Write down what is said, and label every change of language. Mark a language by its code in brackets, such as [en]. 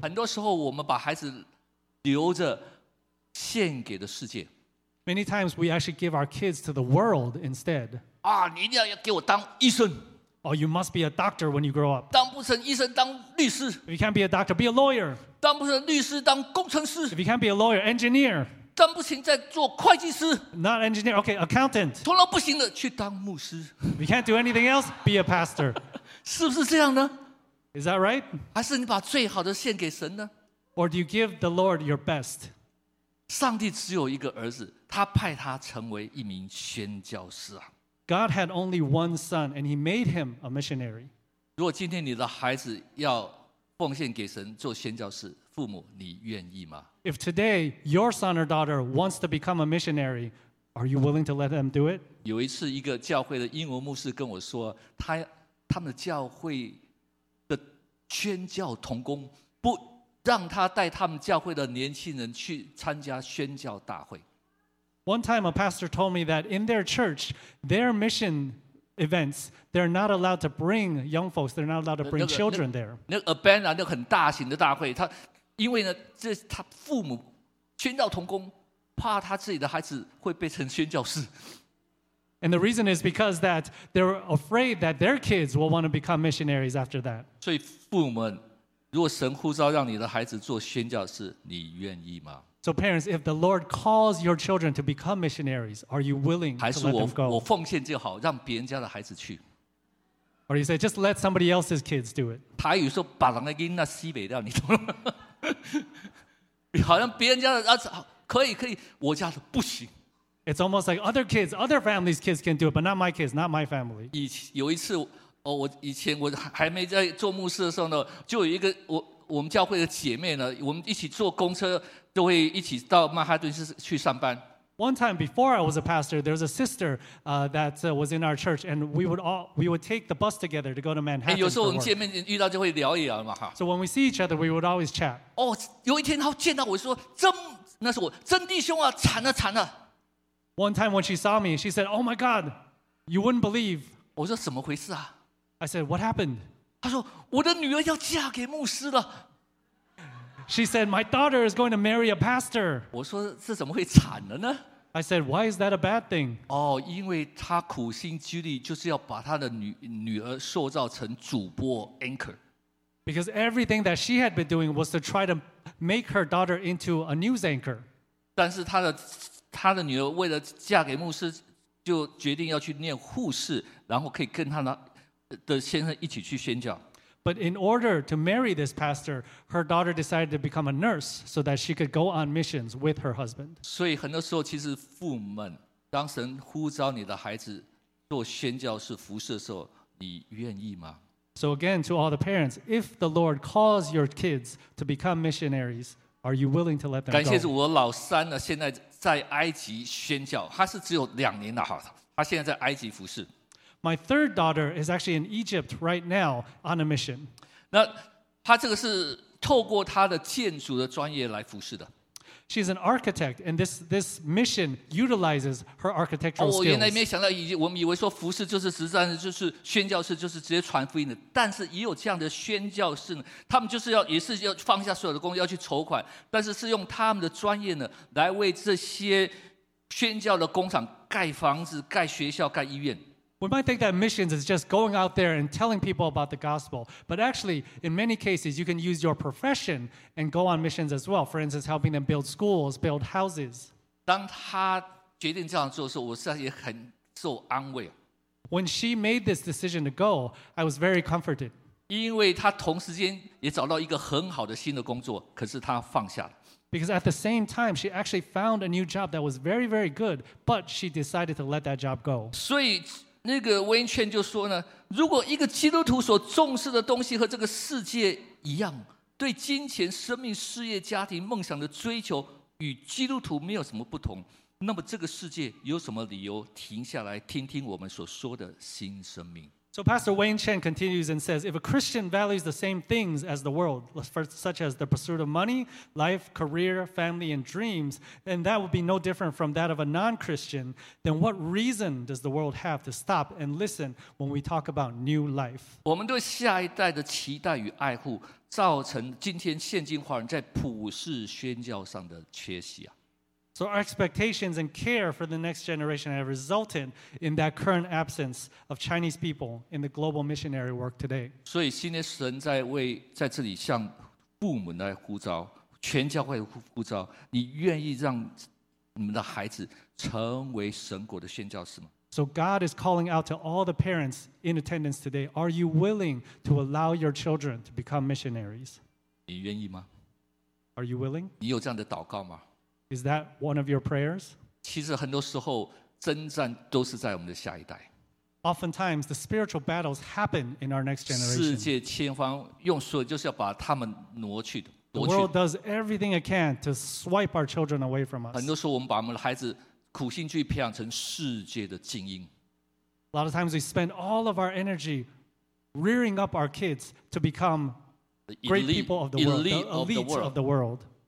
[zh] 很多时候我们把孩子留着献给了世界。 [en] Many times we actually give our kids to the world instead. [zh] 啊，你一定要给我当医生。 [en] Oh, you must be a doctor when you grow up. [zh] 当不成医生，当律师。 [en] If you can't be a doctor, be a lawyer. [zh] 当不成律师，当工程师。 [en] If you can't be a lawyer, engineer. [zh] 当不行，再做会计师。 [en] Not engineer, okay, accountant. [zh] 从来不行的，去当牧师。 [en] If you can't do anything else, be a pastor. [zh] 是不是这样呢？ [en] Is that right? [zh] 还是你把最好的献给神呢？ [en] Or do you give the Lord your best? [zh] 上帝只有一个儿子，他派他成为一名宣教士啊。 [en] God had only one son, and he made him a missionary. [zh] 如果今天你的孩子要奉献给神做宣教士，父母，你愿意吗？ [en] If today your son or daughter wants to become a missionary, are you willing to let them do it? [zh] 有一次，一个教会的英文牧师跟我说，他们的教会的宣教同工不让他带他们教会的年轻人去参加宣教大会。 [en] One time a pastor told me that in their church, their mission events, they're not allowed to bring young folks, they're not allowed to bring children there. [zh] 那 Abana 那很大型的大会，他因为呢，这他父母宣教同工怕他自己的孩子会变成宣教士。 [en] And the reason is because that they're afraid that their kids will want to become missionaries after that. [zh] 所以父母们，如果神呼召让你的孩子做宣教士，你愿意吗？ [en] So parents, if the Lord calls your children to become missionaries, are you willing to let them go? [zh] 还是我奉献就好，让别人家的孩子去。 [en] Or you say, just let somebody else's kids do it. [zh] 台语说把人的囡仔洗白掉，你懂吗？好像别人家的儿子可以可以，我家的不行。 [en] It's almost like other kids, other families' kids can do it, but not my kids, not my family. [zh] 有一次，我以前我还没在做牧师的时候呢，就有一个我们教会的姐妹呢，我们一起坐公车。就会一起到曼哈顿去上班。 [en] One time before I was a pastor, there was a sister that was in our church, and we would take the bus together to go to Manhattan. [zh] 有时候我们见面遇到就会聊一聊嘛哈。 [en] So when we see each other, we would always chat. [zh] 哦，有一天她见到我说：“真，那是我真弟兄啊，惨了惨了。 [en] ”One time when she saw me, she said, "Oh my God, you wouldn't believe." [zh] 我说怎么回事啊 [en] ？I said, "What happened?" [zh] 她说：“我的女儿要嫁给牧师了。” [en] She said, "My daughter is going to marry a pastor." [zh] 我说这怎么会惨了呢 [en] ？I said, "Why is that a bad thing?" [zh] 哦，因为他苦心积虑，就是要把他的女儿塑造成主播 anchor. [en] Because everything that she had been doing was to try to make her daughter into a news anchor. [zh] 但是他的女儿为了嫁给牧师，就决定要去念护士，然后可以跟他的先生一起去宣教。 [en] But in order to marry this pastor, her daughter decided to become a nurse so that she could go on missions with her husband. [zh] 所以很多时候，其实父母们，当神呼召你的孩子做宣教士服事的时候，你愿意吗？ [en] So again, to all the parents, if the Lord calls your kids to become missionaries, are you willing to let them go? [zh] 感谢主，我老三呢，现在在埃及宣教，他是只有两年了哈，他现在在埃及服事。 [en] My third daughter is actually in Egypt right now on a mission. [zh] 那她这个是透过她的建筑的专业来服侍的。 [en] She's an architect, and this mission utilizes her architectural skills. [zh] 我原来没想到，我们以为说服侍就是实战，就是宣教士，就是直接传福音的。但是也有这样的宣教士呢，他们就是要也是要放下所有的工作要去筹款，但是是用他们的专业呢来为这些宣教的工厂盖房子、盖学校、盖医院。 [en] We might think that missions is just going out there and telling people about the gospel, but actually, in many cases, you can use your profession and go on missions as well. For instance, helping them build schools, build houses. [zh] 当她决定这样做的时候，我实在也很受安慰。 [en] When she made this decision to go, I was very comforted. [zh] 因为她同时间也找到一个很好的新的工作，可是她放下了。 [en] Because at the same time, she actually found a new job that was very, very good, but she decided to let that job go. [zh] 所以那个Wayne Chen就说呢，如果一个基督徒所重视的东西和这个世界一样，对金钱、生命、事业、家庭、梦想的追求与基督徒没有什么不同，那么这个世界有什么理由停下来听听我们所说的新生命？ [en] So Pastor Wayne Chen continues and says, if a Christian values the same things as the world, such as the pursuit of money, life, career, family, and dreams, then that would be no different from that of a non-Christian, then what reason does the world have to stop and listen when we talk about new life? [zh] 我们对下一代的期待与爱护造成今天现今华人在普世宣教上的缺席啊。 [en] So our expectations and care for the next generation have resulted in that current absence of Chinese people in the global missionary work today. [zh] 所以今天神在这里向父母来呼召，全教会呼召，你愿意让你们的孩子成为神国的宣教士吗？ [en] So God is calling out to all the parents in attendance today. Are you willing to allow your children to become missionaries? [zh] 你愿意吗？ [en] Are you willing? [zh] 你有这样的祷告吗？ [en] Is that one of your prayers? [zh] 其实很多时候，征战都是在我们的下一代。 [en] Oftentimes, the spiritual battles happen in our next generation. The world does everything it can to swipe our children away from us. A lot of times we spend all of our energy rearing up our kids to become great people of the world, the elite of the world.